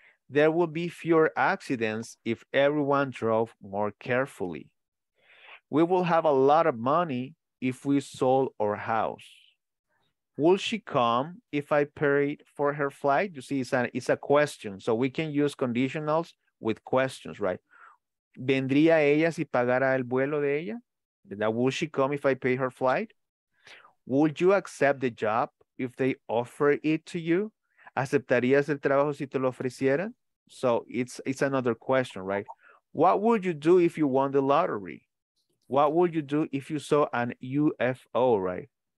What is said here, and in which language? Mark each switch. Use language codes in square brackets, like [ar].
[en] There will be fewer accidents if everyone drove more carefully. We will have a lot of money if we sold our house. Will she come if I paid for her flight? You see, it's a question. So we can use conditionals with questions, right? [es] ¿Vendría ella si pagara el vuelo de ella? [en] Now, will she come if I pay her flight? Would you accept the job if they offer it to you? [es] ¿Aceptarías el trabajo si te lo ofrecieran? [en] So it's another question, right? What would you do if you won the lottery? What would you do if you saw an UFO, right?